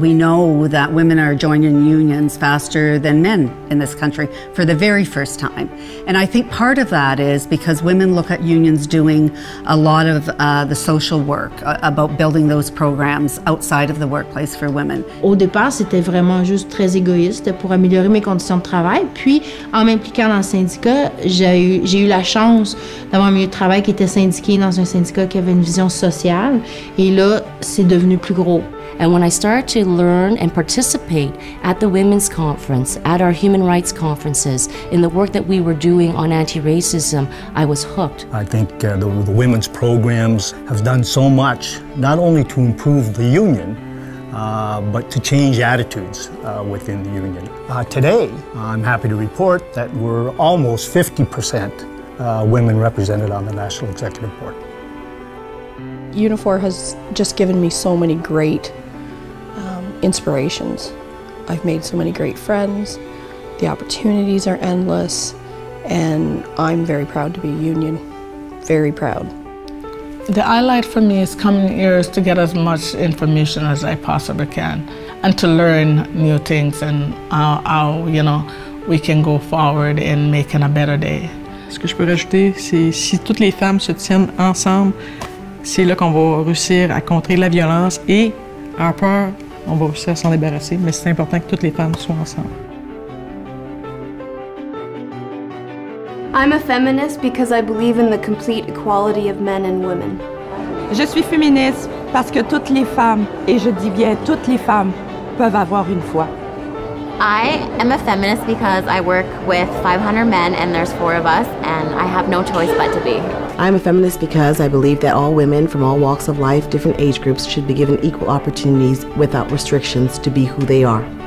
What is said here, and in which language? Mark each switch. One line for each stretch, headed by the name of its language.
English: We know that women are joining unions faster than men in this country for the very first time. And I think part of that is because women look at unions doing a lot of the social work about building those programs outside of the workplace for women.
French: Au départ, c'était vraiment juste très égoïste pour améliorer mes conditions de travail. Puis, en m'impliquant dans le syndicat, j'ai eu la chance d'avoir un milieu de travail qui était syndiqué dans un syndicat qui avait une vision sociale. Et là, c'est devenu plus gros.
English: And when I started to learn and participate at the women's conference, at our human rights conferences, in the work that we were doing on anti-racism, I was hooked. I think the women's programs have done so much, not only to improve the union, but to change attitudes within the union. Today, I'm happy to report that we're almost 50% women represented on the National Executive Board. Unifor has just given me so many great inspirations. I've made so many great friends, the opportunities are endless, and I'm very proud to be a union, very proud. The highlight for me is coming here is to get as much information as I possibly can and to learn new things and how you know, we can go forward in making a better day.
French: Ce que je peux rajouter, c'est si toutes les femmes se tiennent ensemble, c'est là qu'on va réussir à contrer la violence et en peur, on va réussir à s'en débarrasser, mais c'est important que toutes les femmes soient ensemble.
English: I'm a feminist because I believe in the complete equality of men and women.
French: Je suis féministe parce que toutes les femmes, et je dis bien toutes les femmes, peuvent avoir une voix.
English: I am a feminist because I work with 500 men and there's four of us and I have no choice but to be. I'm a feminist because I believe that all women from all walks of life, different age groups, should be given equal opportunities without restrictions to be who they are.